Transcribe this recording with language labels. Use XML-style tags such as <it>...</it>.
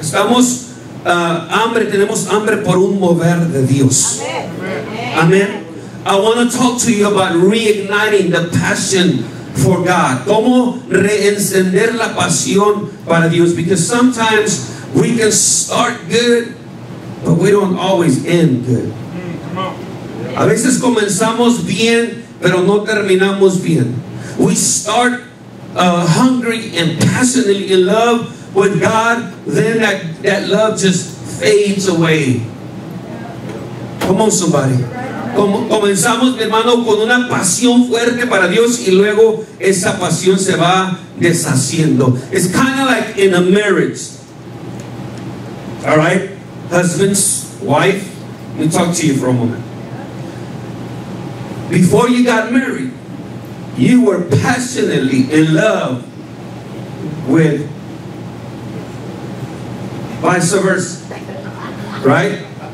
<es>Estamos hambre, tenemos hambre por un mover de Dios. Amen?</es> <en>I want to talk to you about reigniting the passion for God.</en> <es>¿Cómo reencender la pasión para Dios?</es> <en>Because sometimes we can start good, but we don't always end good.</en> <es>A veces comenzamos bien, pero no terminamos bien.</es> <en>We start hungry and passionately in love with God, then that love just fades away. Come on, somebody.</en> <es>Comenzamos, hermano, con una pasión fuerte para Dios y luego esa pasión se va deshaciendo.</es> <en>It's kind of like in a marriage. All right? Husbands, wife, let me talk to you for a moment. Before you got married, you were passionately in love with vice versa. Right?</en>